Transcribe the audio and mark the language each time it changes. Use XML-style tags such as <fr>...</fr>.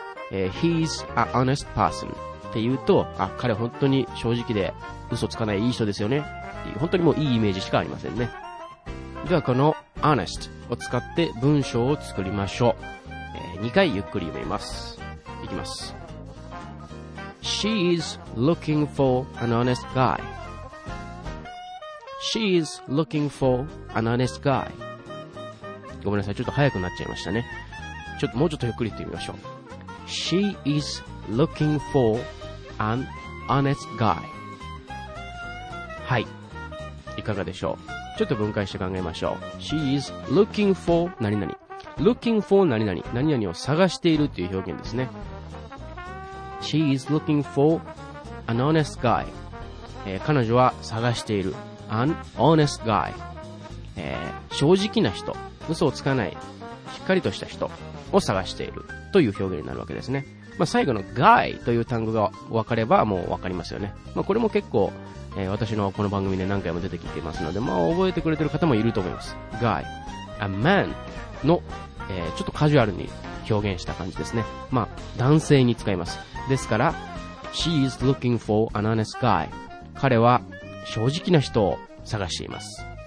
<en>He's an honest person</en> <ja>って言うと、あ、彼本当に正直で嘘つかないいい人ですよね。本当にもういいイメージしかありませんね。ではこの honest を使って文章を作りましょう。 2回ゆっくり読みます。いきます。</ja> <en>She is looking for an honest guy. She is looking for an honest guy.</en> <ja>ごめんなさい、ちょっと早くなっちゃいましたね。ちょっともうちょっとゆっくり言ってみましょう。</ja> <en>She is looking for an honest guy.</en> <ja>はい。いかがでしょう。ちょっと分解して考えましょう。</ja> <en>She is looking for 何々。</en> <ja>looking for 何々。何々を探しているという表現ですね。</ja> <en>She is looking for an honest guy.</en> <ja>彼女は探している。</ja> <en>an honest guy.</en> <ja>正直な人。嘘をつかない。しっかりとした人。を探しているという表現になるわけですね。まあ、最後の guy という単語が分かればもう分かりますよね。まあ、これも結構、私のこの番組で何回も出てきていますので、まあ、覚えてくれてる方もいると思います。</ja> <en>guy, a man</en> <ja>の、ちょっとカジュアルに表現した感じですね。まあ、男性に使います。ですから、</ja> <en>she is looking for an honest guy.</en> <ja>彼は正直な人を探しています。</ja>